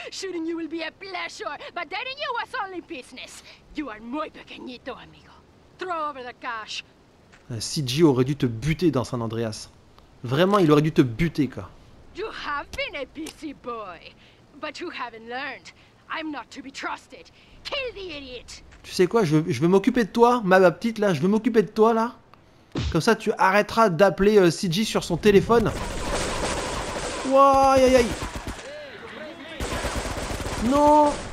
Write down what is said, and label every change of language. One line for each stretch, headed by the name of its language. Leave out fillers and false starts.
English: Shooting you will be a pleasure, but dating you was only business. You are
Spanish: muy pequeñito,
English: amigo. Throw over the cash.
French: CG aurait dû te buter dans San Andreas. Vraiment, il aurait dû te buter, quoi.
English: You have been a busy boy, but you haven't learned. I'm not to be trusted. Kill the idiot.
French: Tu sais quoi, je vais m'occuper de toi, ma petite là. Je vais m'occuper de toi là. Comme ça, tu arrêteras d'appeler CG sur son téléphone. Waouh, aïe aïe. Non!